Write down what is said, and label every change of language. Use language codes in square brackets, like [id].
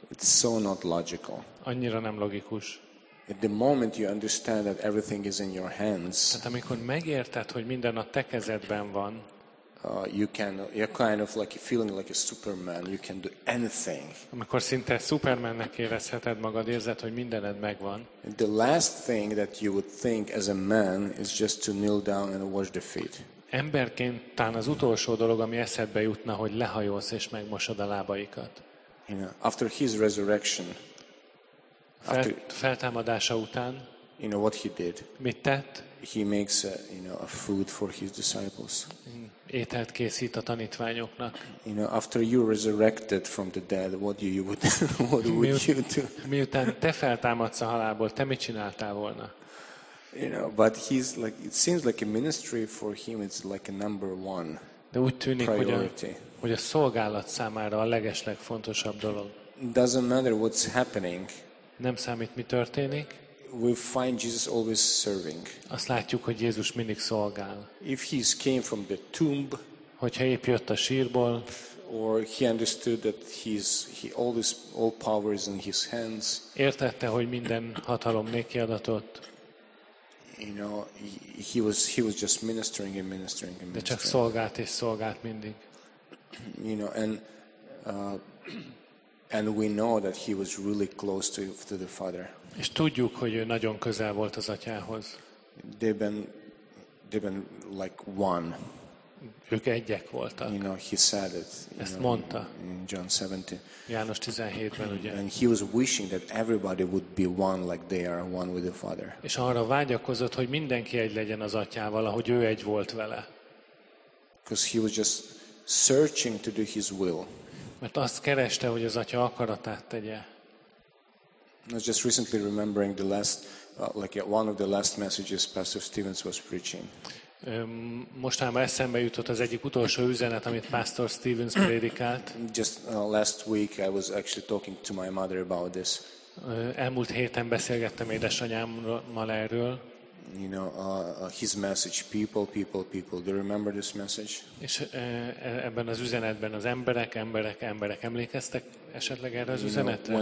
[en] It's so not logical. [hu] Annyira nem logikus. [en] At the moment you understand that everything is in your hands. [hu] Tehát amikor megérted, hogy minden a te kezedben van. [en] You're kind of like feeling like a Superman. You can do anything. [hu] Amikor szinte Supermannek érezheted magad, érzed, hogy mindened megvan. [en] And the last thing that you would think as a man is just to kneel down and wash the feet. [hu] Emberként talán az utolsó dolog, ami eszedbe jutna, hogy lehajolsz és megmosod a lábaikat. [en] You know, after his resurrection. [hu] Feltámadása után, [en] you know what he did? [hu] Mit tett? [en] He makes a food for his disciples. [hu] Ételt készít a tanítványoknak. [en] You know, after you resurrected from the dead, what would you do? [hu] Miután te feltámadsz a halálból, te mit csináltál volna? [en] You know, but he's like, it seems like a ministry for him, it's like a number one. [hu] De úgy tűnik, hogy a szolgálat számára a legeslegfontosabb dolog. [en] Doesn't matter what's happening. [hu] Nem számít, mi történik. [en] We find Jesus always serving. [hu] Azt látjuk, hogy Jézus mindig szolgál. [en] If he came from the tomb, [hu] hogyha épp jött a sírból, [en] or he understood that all power is in his hands. [hu] Értette, hogy minden hatalom néki adatott. [en] You know, he was just ministering. [hu] De csak szolgált és szolgált mindig. [en] You know, and we know that he was really close to the Father. [hu] És tudjuk, hogy ő nagyon közel volt az Atyához. [en] They've been like one. [hu] Ők egyek voltak. [en] You know, he said it. [hu] Ezt mondta. [en] In John 17. [hu] János 17-ben, ugye. [en] And he was wishing that everybody would be one like they are one with the Father. [hu] És arra vágyakozott, hogy mindenki egy legyen az Atyával, ahogy ő egy volt vele. [en] Because he was just searching to do his will. [hu] Mert azt kereste, hogy az Atya akaratát tegye. [en] I was just recently remembering the last, like one of the last messages Pastor Stevens was preaching. [hu] Mostanában eszembe jutott az egyik utolsó üzenet, amit Pastor Stevens prédikált. [en] Just last week I was actually talking to my mother about this. [hu] Elmúlt héten beszélgettem édesanyámmal erről. [en] You know, his message, people, do you remember this message? [hu] És ebben az üzenetben az emberek emlékeztek esetleg erre az üzenetre?